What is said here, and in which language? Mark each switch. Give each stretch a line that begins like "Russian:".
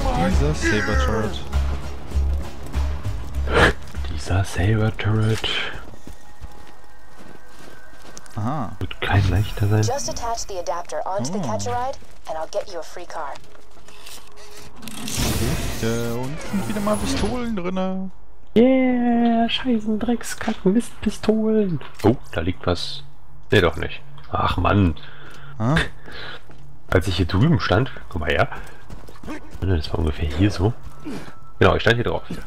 German: Dieser Saber-Turret. Dieser Saber Turret. Aha. Wird kein leichter sein.
English: Just attach the adapter onto the Ketcheride and I'll get you a free car.
German: Gut, und sind wieder mal Pistolen drinne. Yeah, scheißen Drecks, kacken Mist, Pistolen. Oh, da liegt was. Nee, doch nicht. Ach Mann. Ha? Als ich hier drüben stand, guck mal her. Das war ungefähr hier so. Genau, ich stand hier drauf.